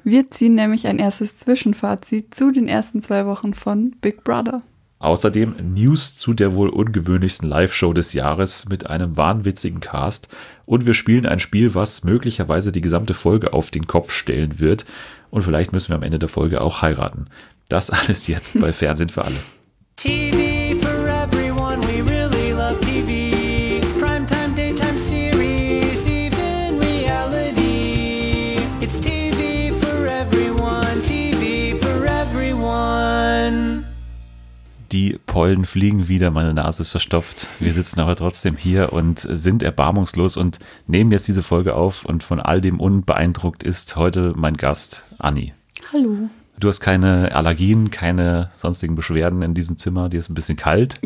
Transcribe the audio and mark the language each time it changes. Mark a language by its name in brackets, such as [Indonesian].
[German] Wir ziehen nämlich ein erstes Zwischenfazit zu den ersten 2 Wochen von Big Brother. Außerdem News zu der wohl ungewöhnlichsten Live-Show des Jahres mit einem wahnwitzigen Cast. Und wir spielen ein Spiel, was möglicherweise die gesamte Folge auf den Kopf stellen wird. Und vielleicht müssen wir am Ende der Folge auch heiraten. Das alles jetzt bei Fernsehen für alle. [English] TV for everyone, we really love TV. Primetime, daytime series, even reality. It's TV for everyone, TV for everyone. [German] Die Pollen fliegen wieder, meine Nase ist verstopft. Wir sitzen aber trotzdem hier und sind erbarmungslos und nehmen jetzt diese Folge auf. Und von all dem unbeeindruckt ist heute mein Gast Anni. Hallo. Du hast keine Allergien, keine sonstigen Beschwerden in diesem Zimmer. Dir ist ein bisschen kalt.